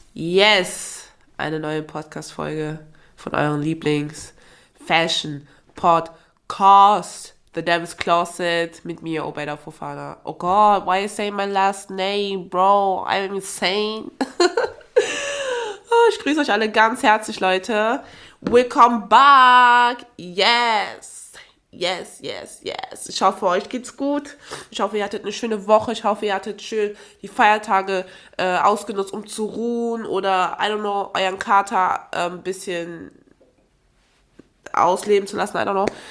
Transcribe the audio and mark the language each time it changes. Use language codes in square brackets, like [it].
[de] Yes, eine neue Podcast-Folge von euren Lieblings-Fashion-Podcast. The Devil's Closet mit mir, Obeda Fofana. [en] Oh God, why are you saying my last name, bro? I'm insane. [de] Oh, ich grüße euch alle ganz herzlich, Leute. [en] Welcome back. [de] Yes. Ich hoffe, euch geht's gut. Ich hoffe, ihr hattet eine schöne Woche. Ich hoffe, ihr hattet schön die Feiertage ausgenutzt, um zu ruhen oder, [en] I don't know, [de] euren Kater ein bisschen ausleben zu lassen, I don't know.